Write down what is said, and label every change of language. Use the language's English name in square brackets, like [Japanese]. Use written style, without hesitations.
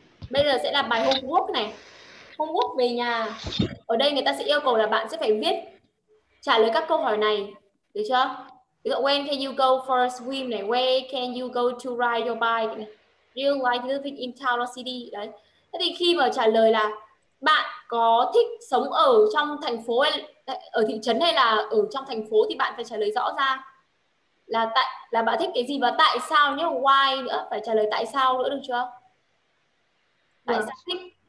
[Vietnamese] Bây giờ sẽ là bài homework này. Homework về nhà. Ở đây người ta sẽ yêu cầu là bạn sẽ phải viết trả lời các câu hỏi này. Được chưa? [English] When can you go for a swim [Vietnamese] này? [English] Where can you go to ride your bike này? Do you like living in town or city? [Vietnamese] Đấy. Thế thì khi mà trả lời là bạn có thích sống ở trong thành phố hay ở thị trấn hay là ở trong thành phố thì bạn phải trả lời rõ ra là tại là bạn thích cái gì và tại sao nhé, why nữa, phải trả lời tại sao nữa được chưa? Tại sao thích?